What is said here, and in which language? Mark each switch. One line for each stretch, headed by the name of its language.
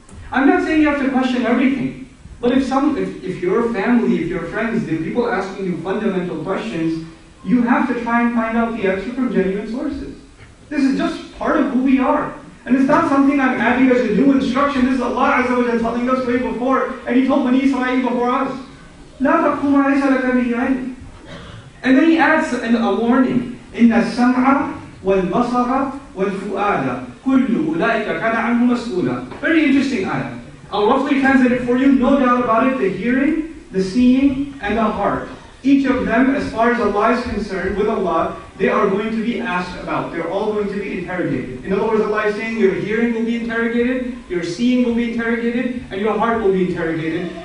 English: I'm not saying you have to question everything. But if your family, if your friends, the people asking you fundamental questions, you have to try and find out the answer from genuine sources. This is just part of who we are. And it's not something I'm adding as a new instruction. This is Allah Azza wa Jalla telling us way before. And He told Bani Israel before us.
Arabic: لَا تَقْفُمَا لَيْسَ لَكَ بِهِ.
English: And then he adds a warning.
Arabic: إِنَّ السَّمْعَ وَالْبَصَرَ وَالْفُؤَادَ كُلُّ أُولَٰئِكَ كَانَ عَنْهُ مَسْئُولًا.
English: Very interesting ayah. I'll roughly translate it for you. No doubt about it, the hearing, the seeing, and the heart. Each of them, as far as Allah is concerned, with Allah, they are going to be asked about. They're all going to be interrogated. In other words, Allah is saying your hearing will be interrogated, your seeing will be interrogated, and your heart will be interrogated.